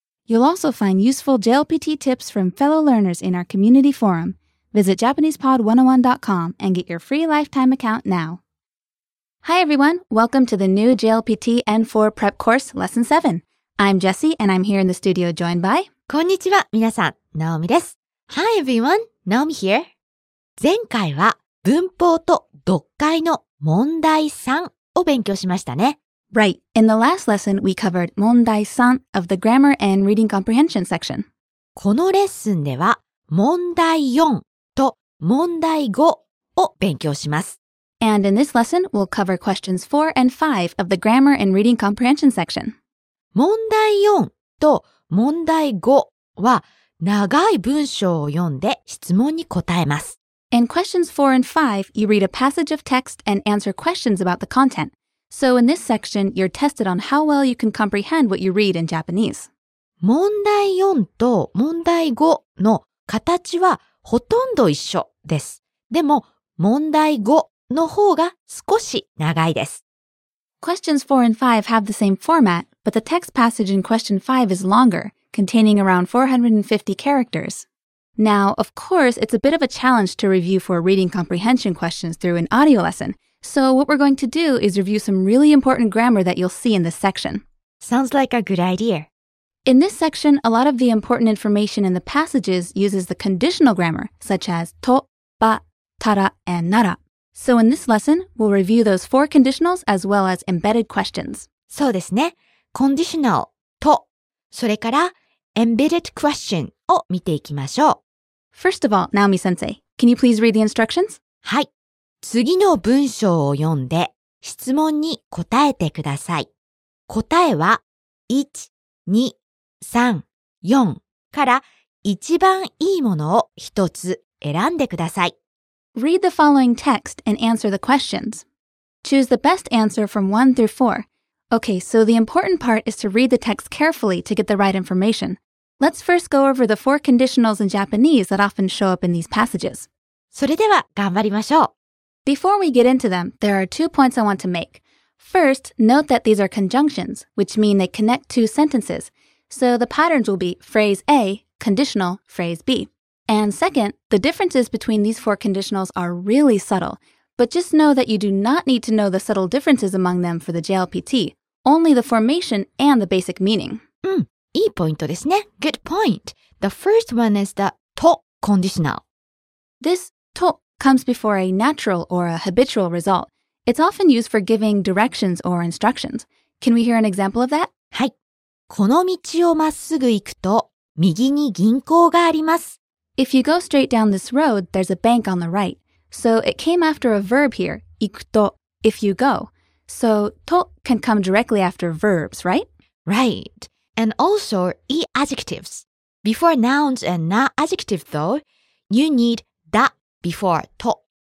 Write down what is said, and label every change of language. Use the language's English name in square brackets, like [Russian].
[English] You'll also find useful JLPT tips from fellow learners in our community forum. Visit JapanesePod101.com and get your free lifetime account now. Hi everyone, welcome to the new JLPT N4 Prep Course, Lesson 7. I'm Jesse, and I'm here in the studio joined by... [Japanese] こんにちは、皆さん、ナオミです。 [English] Hi everyone, Naomi here. [Japanese] 前回は文法と読解の問題3を勉強しましたね。 [English] Right. In the last lesson, we covered 問題3 of the grammar and reading comprehension section. [Japanese] このレッスンでは問題4と問題5を勉強します。 [English] And in this lesson, we'll cover questions 4 and 5 of the grammar and reading comprehension section. [Japanese] 問題4と問題5は長い文章を読んで質問に答えます。 [English] In questions 4 and 5, you read a passage of text and answer questions about the content. So in this section, you're tested on how well you can comprehend what you read in Japanese. [Japanese] 問題4と問題5の形はほとんど一緒です。でも問題5の方が少し長いです。 [English] Questions 4 and 5 have the same format. But the text passage in question 5 is longer, containing around 450 characters. Now, of course, it's a bit of a challenge to review for reading comprehension questions through an audio lesson. So what we're going to do is review some really important grammar that you'll see in this section. Sounds like a good idea. In this section, a lot of the important information in the passages uses the conditional grammar, such as to, ba, tara, and nara. So in this lesson, we'll review those four conditionals as well as embedded questions. [Japanese] そうですね。Conditional と、それから Embedded Question を見ていきましょう。 [English] First of all, Naomi Sensei, can you please read the instructions? [Japanese] はい。次の文章を読んで質問に答えてください。答えは1、2、3、4から一番いいものを一つ選んでください。 [English] Read the following text and answer the questions. Choose the best answer from 1 through 4. Okay, so the important part is to read the text carefully to get the right information. Let's first go over the four conditionals in Japanese that often show up in these passages. [Japanese] それでは頑張りましょう。 [English] Before we get into them, there are two points I want to make. First, note that these are conjunctions, which mean they connect two sentences. So the patterns will be phrase A, conditional, phrase B. And second, the differences between these four conditionals are really subtle. But just know that you do not need to know the subtle differences among them for the JLPT, only the formation and the basic meaning. [Japanese] うん、いいポイントですね。 [English] Good point. The first one is the to conditional. This to comes before a natural or a habitual result. It's often used for giving directions or instructions. Can we hear an example of that? [Japanese] はい。この道をまっすぐ行くと、右に銀行があります。 [English] If you go straight down this road, there's a bank on the right. So it came after a verb here, [Japanese] 行くと [English] if you go. So と can come directly after verbs, right? Right. And also, e adjectives. Before nouns and na adjective though, you need だ before と.